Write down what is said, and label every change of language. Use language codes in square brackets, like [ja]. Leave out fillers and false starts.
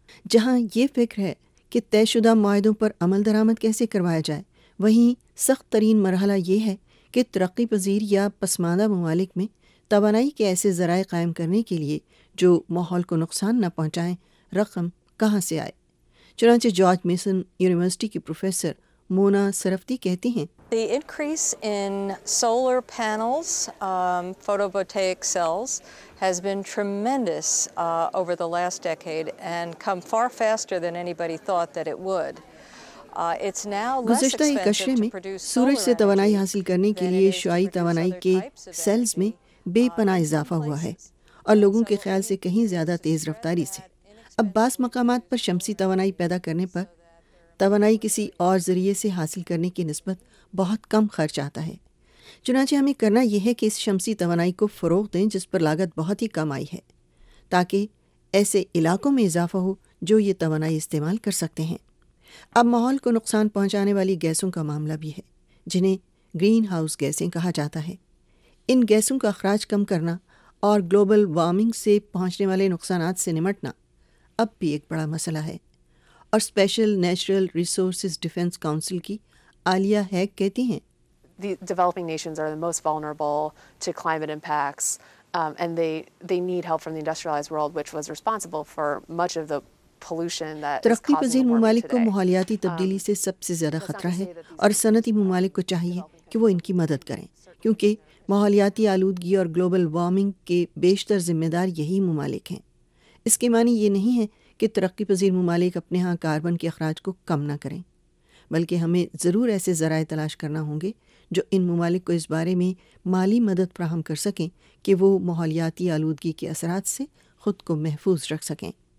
[ur] جہاں یہ فکر ہے کہ طے شدہ معاہدوں پر عمل درآمد کیسے کروایا جائے، وہیں سخت ترین مرحلہ یہ ہے کہ ترقی پذیر یا پسماندہ ممالک میں توانائی کے ایسے ذرائع قائم کرنے کے لیے جو ماحول کو نقصان نہ پہنچائیں رقم کہاں سے آئے. چنانچہ جارج میسن یونیورسٹی کی پروفیسر مونا سرفتی کہتی ہیں، [en] The increase in solar panels, photovoltaic cells has been tremendous over the last decade and come far faster than anybody thought that it would. It's now less expensive to produce solar energy than it is with other types of cells. [ur] سورج سے توانائی حاصل کرنے کے لیے شعاعی توانائی کے sales میں بے پناہ اضافہ ہوا ہے، اور لوگوں کے خیال سے کہیں زیادہ تیز رفتاری سے. اب بعض مقامات پر شمسی توانائی پیدا کرنے پر توانائی کسی اور ذریعے سے حاصل کرنے کی نسبت بہت کم خرچ آتا ہے. چنانچہ ہمیں کرنا یہ ہے کہ اس شمسی توانائی کو فروغ دیں جس پر لاگت بہت ہی کم آئی ہے، تاکہ ایسے علاقوں میں اضافہ ہو جو یہ توانائی استعمال کر سکتے ہیں. اب ماحول کو نقصان پہنچانے والی گیسوں کا معاملہ بھی ہے، جنہیں گرین ہاؤس گیسیں کہا جاتا ہے. ان گیسوں کا اخراج کم کرنا اور گلوبل وارمنگ سے پہنچنے والے نقصانات سے نمٹنا اب بھی ایک بڑا مسئلہ ہے، اور special natural resources defence council کی عالیہ ہیگ کہتی ہیں، [en] The developing nations are the most vulnerable to climate impacts and they need help from the industrialized world which was responsible for much of the pollution that [ur] ترقی پذیر ممالک کو ماحولیاتی تبدیلی سے سب سے زیادہ خطرہ ہے، اور صنعتی ممالک کو چاہیے کہ وہ ان کی مدد کریں، کیونکہ ماحولیاتی آلودگی اور گلوبل وارمنگ کے بیشتر ذمہ دار یہی ممالک ہیں. اس کے معنی یہ نہیں ہے کہ ترقی پذیر ممالک اپنے ہاں کاربن کے اخراج کو کم نہ کریں، بلکہ ہمیں ضرور ایسے ذرائع تلاش کرنا ہوں گے جو ان ممالک کو اس بارے میں مالی مدد فراہم کر سکیں کہ وہ ماحولیاتی آلودگی کے اثرات سے خود کو محفوظ رکھ سکیں.